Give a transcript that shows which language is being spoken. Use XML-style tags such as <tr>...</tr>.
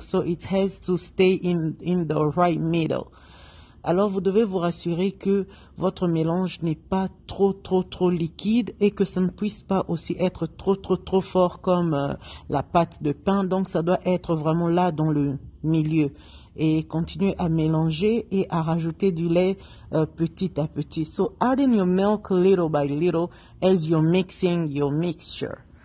<en>So it has to stay in the right middle.</en> <fr>Alors vous devez vous rassurer que votre mélange n'est pas trop trop trop liquide et que ça ne puisse pas aussi être trop trop trop fort comme la pâte de pain. Donc ça doit être vraiment là dans le milieu. Et continuez à mélanger et à rajouter du lait petit à petit.</fr> <en>So add in your milk little by little as you're mixing your mixture.</en>